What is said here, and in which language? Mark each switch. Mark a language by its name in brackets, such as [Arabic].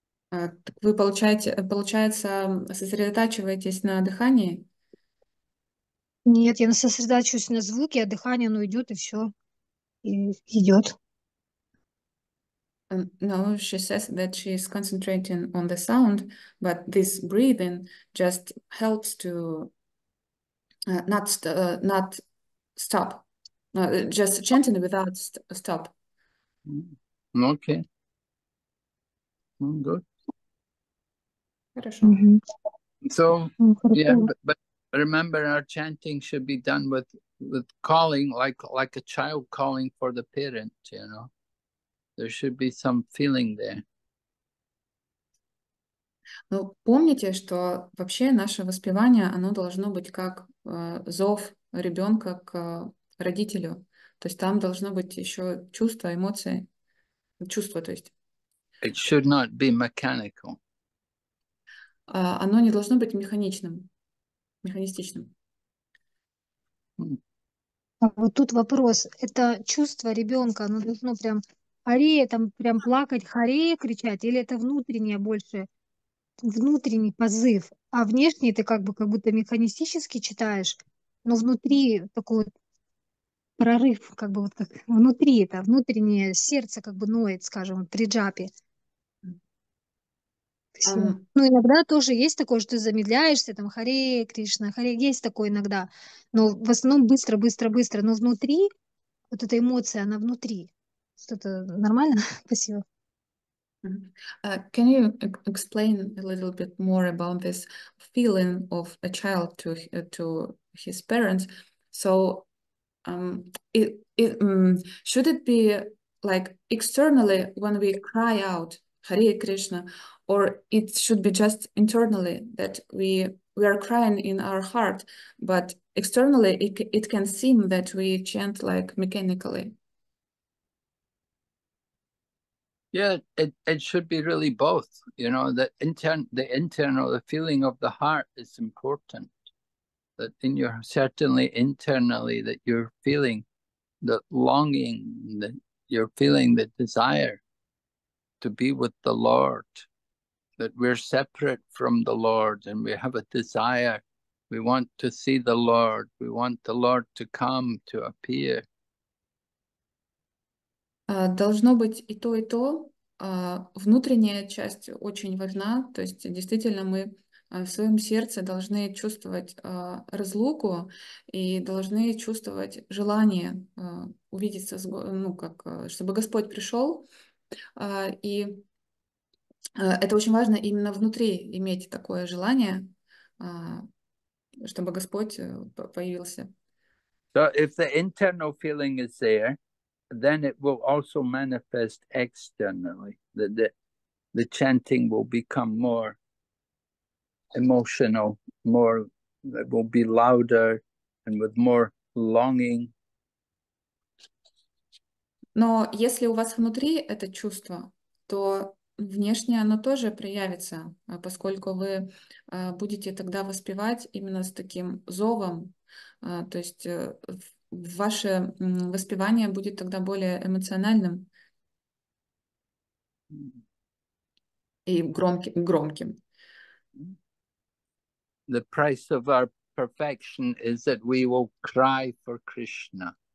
[Russian] Так вы получается, сосредотачиваетесь на дыхании? Нет, я сосредоточусь на звуке, а дыхание, оно идет и все. И идет. [English] No, she says that she is concentrating on the sound, but this breathing just helps to not stop, just chanting without stop. Okay. Good. [Russian] Хорошо. [English] So, yeah, [Russian] Хорошо. [English] but remember our chanting should be done with calling, like a child calling for the parent, you know. There should be some feeling there. [Russian] Ну, помните, что вообще наше воспевание, оно должно быть как зов ребенка к родителю. То есть там должно быть еще чувство, эмоции. Чувство, то есть. [English] It should not be mechanical. [Russian] Оно не должно быть механичным, механистичным. А вот тут вопрос. Это чувство ребенка, оно должно прям хорея, там прям плакать, хорея кричать, или это внутреннее больше, внутренний позыв, а внешний ты как будто механистически читаешь, но внутри такой вот прорыв, как внутри это, внутреннее сердце ноет, скажем, при джапе. Все. Ну, иногда тоже есть такое, что ты замедляешься, там, Харе Кришна, Харе, есть такое иногда, но в основном быстро, быстро, быстро, но внутри вот эта эмоция, она внутри. Что-то нормально? Спасибо. [English] Can you explain a little bit more about this feeling of a child to his parents? So, should it be like externally when we cry out Hare Krishna, or it should be just internally that we are crying in our heart, but externally it can seem that we chant like mechanically. Yeah, it should be really both. You know, the internal, the feeling of the heart is important. That in your certainly internally that you're feeling the longing, that you're feeling the desire to be with the Lord, that we're separate from the Lord and we have a desire We want to see the Lord. We want the Lord to come, to appear. [Russian] Должно быть и то, и то. Внутренняя часть очень важна. То есть действительно мы в своем сердце должны чувствовать разлуку и должны чувствовать желание увидеться, ну, как, чтобы Господь пришел. И это очень важно именно внутри иметь такое желание, чтобы Господь появился. [English] So if the internal feeling is there, then it will also manifest externally. The chanting will become more emotional, more, it will be louder and with more longing. [Russian] Но если у вас внутри это чувство, то внешне оно тоже проявится, поскольку вы будете тогда воспевать именно с таким зовом, то есть ваше воспевание будет тогда более эмоциональным и громким. [English] The price of our perfection is that we will cry for Krishna.